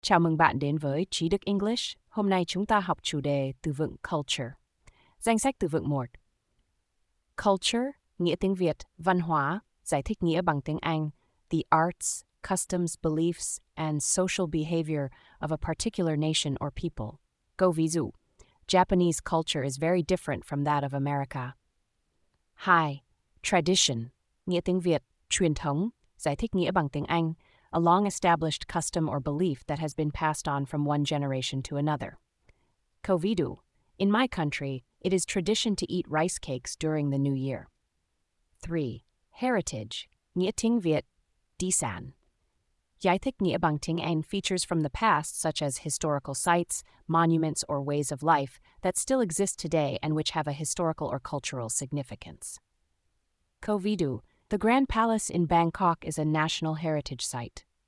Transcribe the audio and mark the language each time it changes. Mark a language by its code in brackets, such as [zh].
[vi] Chào mừng bạn đến với Trí Đức English. Hôm nay chúng ta học chủ đề từ vựng culture. Danh sách từ vựng 1. Culture, nghĩa tiếng Việt, văn hóa, giải thích nghĩa bằng tiếng Anh. [en] The arts, customs, beliefs, and social behavior of a particular nation or people. [vi] Câu ví dụ. [en] Japanese culture is very different from that of America. 2. [vi] Tradition, nghĩa tiếng Việt, truyền thống, giải thích nghĩa bằng tiếng Anh. [en] A long-established custom or belief that has been passed on from one generation to another. [vi] Câu ví dụ. [en] In my country, it is tradition to eat rice cakes during the New Year. 3. [vi] Heritage, nghĩa tiếng Việt, di sản. Giải thích nghĩa bằng tiếng Anh [en] features from the past, such as historical sites, monuments, or ways of life that still exist today and which have a historical or cultural significance. [vi] Câu ví dụ. [en] The Grand Palace in Bangkok is a national heritage site.